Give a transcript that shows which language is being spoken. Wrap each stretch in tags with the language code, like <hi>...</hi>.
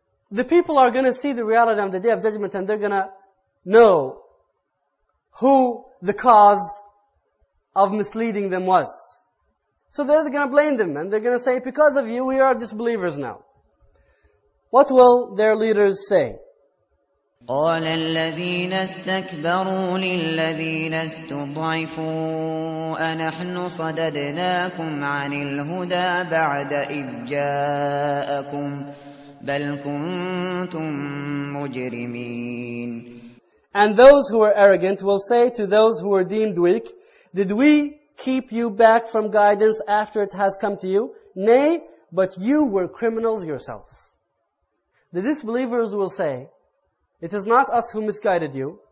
<en>The people are going to see the reality on the Day of Judgment, and they're going to know who the cause of misleading them was. So they're going to blame them, and they're going to say, because of you, we are disbelievers now. What will their leaders say?</en> <ar>قال الذين استكبروا للذين استضعفوا أنحن صددناكم عن الهدى بعد إذ جاءكم بل كنتم مجرمين.</ar> <en>And those who were arrogant will say to those who were deemed weak, did we keep you back from guidance after it has come to you? Nay, but you were criminals yourselves. The disbelievers will say, it is not us who misguided you.</en>